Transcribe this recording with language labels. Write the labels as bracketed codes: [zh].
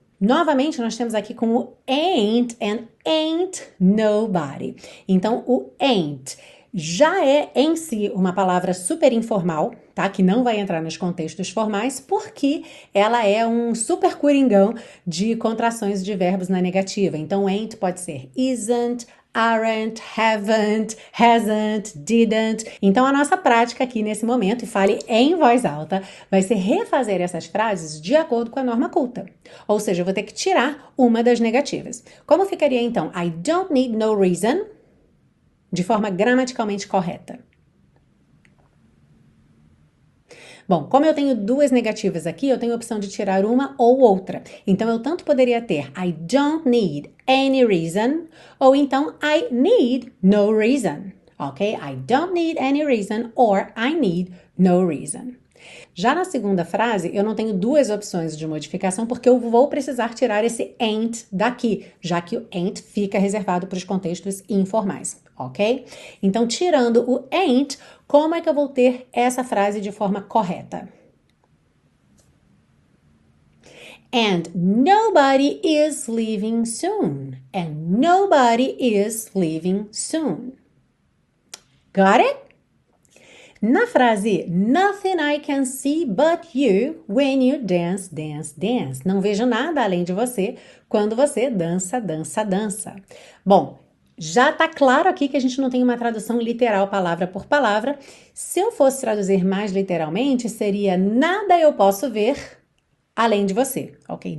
[pt] Novamente, nós temos aqui com o ain't and ain't nobody. Então, o ain't já é em si uma palavra super informal, tá? Que não vai entrar nos contextos formais, porque ela é um super coringão de contrações de verbos na negativa. Então, ain't pode ser isn't, aren't, haven't, hasn't, didn't. Então, a nossa prática aqui nesse momento, e fale em voz alta, vai ser refazer essas frases de acordo com a norma culta. Ou seja, eu vou ter que tirar uma das negativas. Como ficaria então? [en] I don't need no reason. [pt] De forma gramaticalmente correta. Bom, como eu tenho duas negativas aqui, eu tenho a opção de tirar uma ou outra. Então, eu tanto poderia ter [en] I don't need any reason, [pt] ou então [en] I need no reason. [pt] Ok? [en] I don't need any reason, or I need no reason. [pt] Já na segunda frase, eu não tenho duas opções de modificação porque eu vou precisar tirar esse ain't daqui, já que o ain't fica reservado para os contextos informais, ok? Então, tirando o ain't, como é que eu vou ter essa frase de forma correta? [en] And nobody is leaving soon. And nobody is leaving soon. Got it? Na frase Nothing I can see but you when you dance, dance, dance. [pt] Não vejo nada além de você quando você dança, dança, dança. Bom, já tá claro aqui que a gente não tem uma tradução literal palavra por palavra. Se eu fosse traduzir mais literalmente, seria nada eu posso ver além de você, ok?